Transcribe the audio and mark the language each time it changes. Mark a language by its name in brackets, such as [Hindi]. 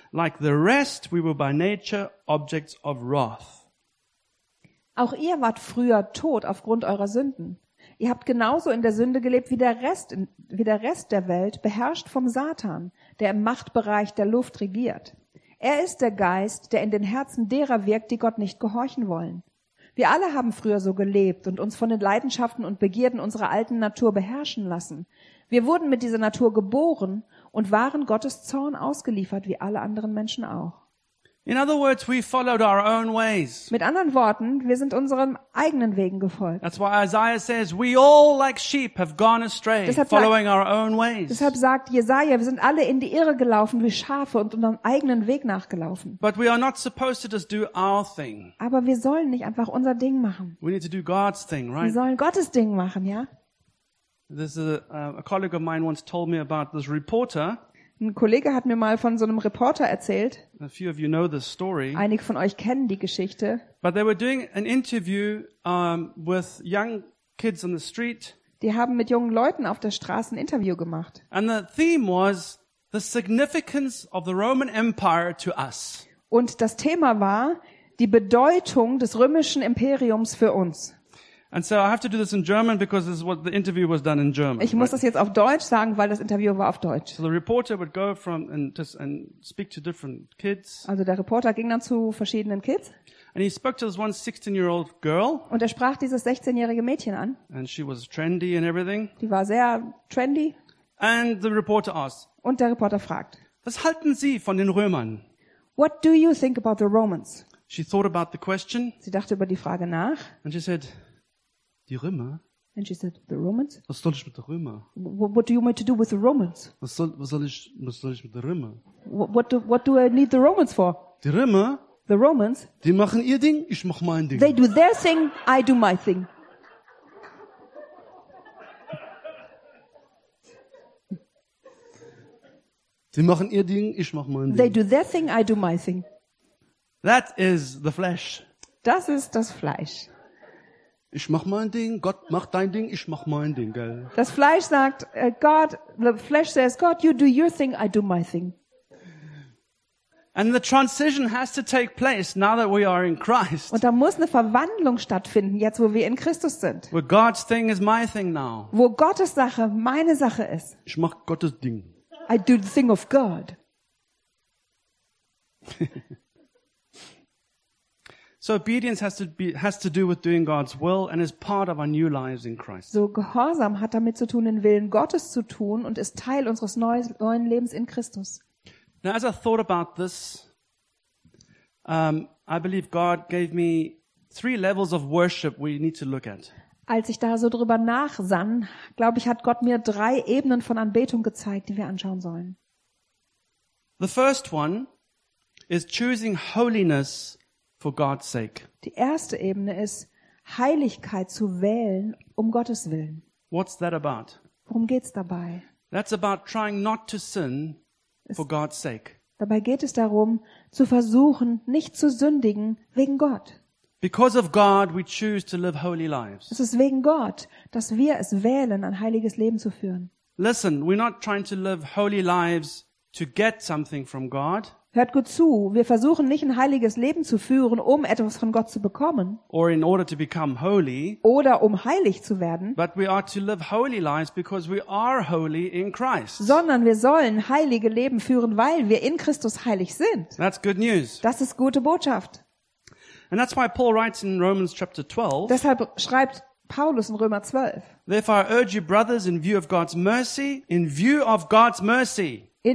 [English] Like the rest, we were by nature objects of wrath. [German] Auch ihr wart früher tot aufgrund eurer Sünden. Ihr habt genauso in der Sünde gelebt wie der Rest der Welt, beherrscht vom Satan, der im Machtbereich der Luft regiert. Er ist der Geist, der in den Herzen derer wirkt, die Gott nicht gehorchen wollen. Wir alle haben früher so gelebt und uns von den Leidenschaften und Begierden unserer alten Natur beherrschen lassen. Wir wurden mit dieser Natur geboren und waren Gottes Zorn ausgeliefert, wie alle anderen Menschen auch. [English] In other words, we followed our own ways. [German] Mit anderen Worten, wir sind unseren eigenen Wegen gefolgt. [English] That's why Isaiah says, we all like sheep have gone astray, following our own ways. [German] Deshalb sagt Jesaja, wir sind alle in die Irre gelaufen wie Schafe und unserem eigenen Weg nachgelaufen. [English] But we are not supposed to just do our thing. [German] Aber wir sollen nicht einfach unser Ding machen. [English] We need to do God's thing, right? [German] Wir sollen Gottes Ding machen, ja? [English] This is a colleague of mine once told me about this reporter. [German] Ein Kollege hat mir mal von so einem Reporter erzählt. [English] A few of you know this story. [German] Einige von euch kennen die Geschichte. [English] But they were doing an interview with young kids on the street. [German] Die haben mit jungen Leuten auf der Straße ein Interview gemacht. [English] And the theme was the significance of the Roman Empire to us. [German] Und das Thema war die Bedeutung des römischen Imperiums für uns. [English] And so I have to do this in German because this is what the interview was done in German. [German] Ich muss das jetzt auf Deutsch sagen, weil das Interview war auf Deutsch. [English] So the reporter would go from and speak to different kids. [German] Also der Reporter ging dann zu verschiedenen Kids. [English] And he spoke to this one 16-year-old girl. [German] Und er sprach dieses 16-jährige Mädchen an. [English] And she was trendy and everything. [German] Die war sehr trendy. [English] And the reporter asked. [German] Und der Reporter fragt. Was halten Sie von den Römern? [English] What do you think about the Romans? She thought about the question. [German] Sie dachte über die Frage nach. [English] And she said, [German] die Römer? [English] And she said, the Romans? [German] Was soll ich mit den Römern? [English] What do you want to do with the Romans? [German] Was soll ich mit den Römern? [English] What do I need the Romans for? [German] Die Römer? [English] The Romans? [German] Die machen ihr Ding, ich mach mein Ding. [English] They do their thing, I do my thing. [German] Die machen ihr Ding, ich mach mein Ding. [English] They do their thing, I do my thing. That is the flesh. [German] Das ist das Fleisch. Ich mach mein Ding, Gott macht dein Ding, ich mach mein Ding, gell? Das Fleisch sagt, [English] God, the flesh says, God, you do your thing, I do my thing. And the transition has to take place now that we are in Christ. [German] Und da muss eine Verwandlung stattfinden, jetzt wo wir in Christus sind. [English] Where God's thing is my thing now. [German] Wo Gottes Sache meine Sache ist. Ich mach Gottes Ding. [English] I do the thing of God. So obedience has to do with doing God's will and is part of our new lives in Christ. [German] So Gehorsam hat damit zu tun, den Willen Gottes zu tun und ist Teil unseres neuen Lebens in Christus. [English] Now as I thought about this, I believe God gave me three levels of worship we need to look at. [German] Als ich da so drüber nachsann, glaube ich, hat Gott mir drei Ebenen von Anbetung gezeigt, die wir anschauen sollen. [English] The first one is choosing holiness for God's sake. [German] Die erste Ebene ist, Heiligkeit zu wählen um Gottes Willen. [English] What's that about? [German] Worum geht's dabei? [English] That's about trying not to sin for God's sake. [German] Dabei geht es darum, zu versuchen, nicht zu sündigen wegen Gott. [English] Because of God, we choose to live holy lives. [German] Es ist wegen Gott, dass wir es wählen, ein heiliges Leben zu führen. [English] Listen, we're not trying to live holy lives to get something from God. [German] Hört gut zu, wir versuchen nicht ein heiliges Leben zu führen, um etwas von Gott zu bekommen. [English] Or in order to become holy. [German] Oder um heilig zu werden. [English] But we are to live holy lives because we are holy in Christ. [German] Sondern wir sollen heilige Leben führen, weil wir in Christus heilig sind. [English] That's good news. [German] Das ist gute Botschaft. [English] And that's why Paul writes in Romans chapter 12. [German] Deshalb schreibt Paulus in Römer 12. [English] Therefore I urge you brothers in view of God's mercy, in view of God's mercy.